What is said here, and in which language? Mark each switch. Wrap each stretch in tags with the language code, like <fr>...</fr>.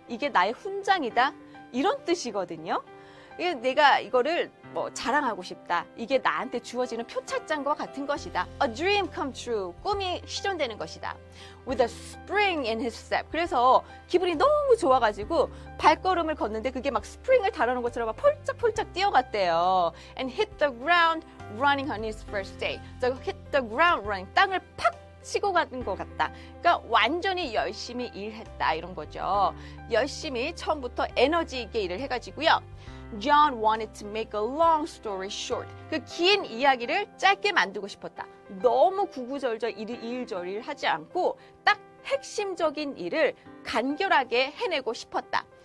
<ko>이게 나의 훈장이다. 이런 뜻이거든요. 내가 이거를 뭐 자랑하고 싶다. 이게 나한테 주어지는 표창장과 같은 것이다.</ko> <en>A dream come true.</en> <ko>꿈이 실현되는 것이다.</ko> <en>With a spring in his step.</en> <ko>그래서 기분이 너무 좋아가지고 발걸음을 걷는데 그게 막 스프링을 달아놓은 것처럼 막 펄쩍펄쩍 뛰어갔대요.</ko> <en>And hit the ground running on his first day. So hit the ground running.</en> <ko>땅을 팍 치고 가는 것 같다. 그러니까 완전히 열심히 일했다. 이런 거죠. 열심히 처음부터 에너지 있게 일을 해가지고요.</ko> <en>John wanted to make a long story short.</en> <ko>그 긴 이야기를 짧게 만들고 싶었다. 너무 구구절절 일일절일 하지 않고 딱 핵심적인 일을 간결하게 해내고 싶었다.</ko>